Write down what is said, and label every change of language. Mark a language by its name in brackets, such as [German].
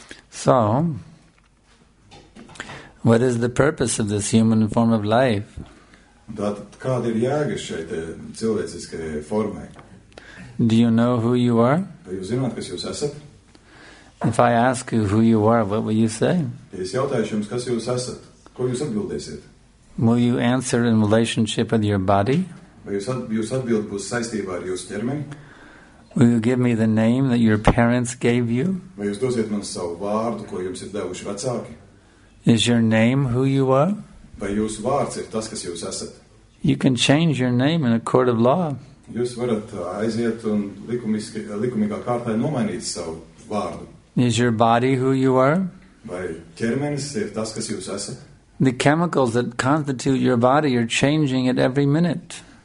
[English] So, what is the purpose of this human form of life? [Latvian] Kāda ir jēga šeit cilvēciskajai formai? [English] Do you know who you are? [Latvian] Vai jūs zināt, kas jūs esat? [English] If I ask you who you are, what will you say? [Latvian] Es jautāšu jums, kas jūs esat. Ko jūs atbildēsiet? [English] Will you answer in relationship with your body? [Latvian] Vai jūs atbildi būs saistībā ar jūsu ķermeni? [English] Will you give me the name that your parents gave you? [Latvian] Vai jūs dosiet man savu vārdu, ko jums ir devuši vecāki? [English] Is your name who you are? [Latvian] Vai jūsu vārds ir tas, kas jūs esat? [English] You can change your name in a court of law. [Latvian] Jūs varat aiziet un likumīgā kārtā nomainīt savu vārdu. [English] Is your body who you are? [Latvian] Vai ķermenis ir tas, kas jūs esat? [English] The chemicals that constitute your body are changing at every minute.